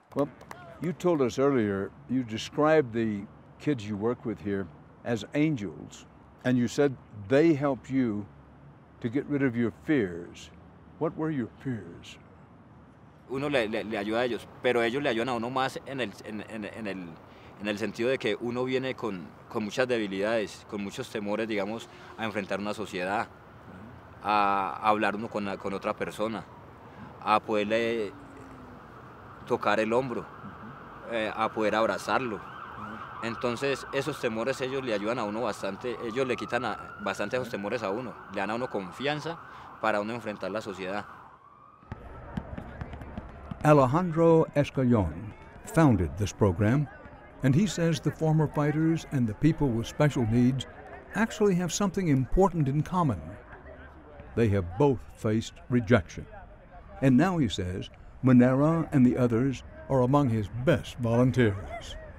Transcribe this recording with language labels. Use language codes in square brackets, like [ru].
[en] Well, you told us earlier you described the kids you work with here as angels, and you said they helped you to get rid of your fears. What were your fears? [es] Uno le ayuda a ellos, pero ellos le ayudan a uno más en el sentido de que uno viene con muchas debilidades, con muchos temores, digamos, a enfrentar una sociedad, a hablar uno con otra persona, a poderle tocar el hombro, a poder abrazarlo. Entonces, esos temores ellos le ayudan a uno bastante, ellos le quitan bastante esos temores a uno, le dan a uno confianza para uno enfrentar la sociedad. [en] Alejandro Escalón founded this program, and he says the former fighters and the people with special needs actually have something important in common. They have both faced rejection. And now, he says, Manera and the others are among his best volunteers.